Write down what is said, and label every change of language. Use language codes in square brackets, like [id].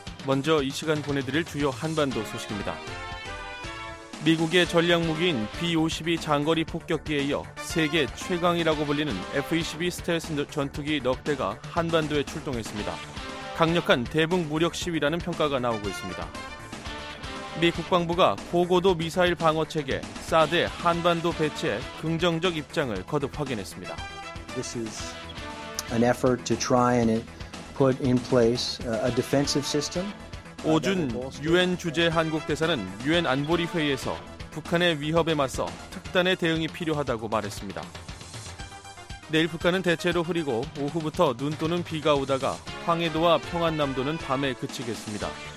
[ko] 먼저 이 시간 보내드릴 주요 한반도 소식입니다. 미국의 전략무기인 B-52 장거리 폭격기에 이어 세계 최강이라고 불리는 F-22 스텔스 전투기 넉 대가 한반도에 출동했습니다. 강력한 대북 무력 시위라는 평가가 나오고 있습니다. 미 국방부가 고고도 미사일 방어체계 사드의 한반도 배치에 긍정적 입장을 거듭 확인했습니다. [en] This is an effort to try and put in place a defensive system. [ko] 오준 UN 주재 한국 대사는 UN 안보리 회의에서 북한의 위협에 맞서 특단의 대응이 필요하다고 말했습니다. 내일 북한은 대체로 흐리고 오후부터 눈 또는 비가 오다가 황해도와 평안남도는 밤에 그치겠습니다.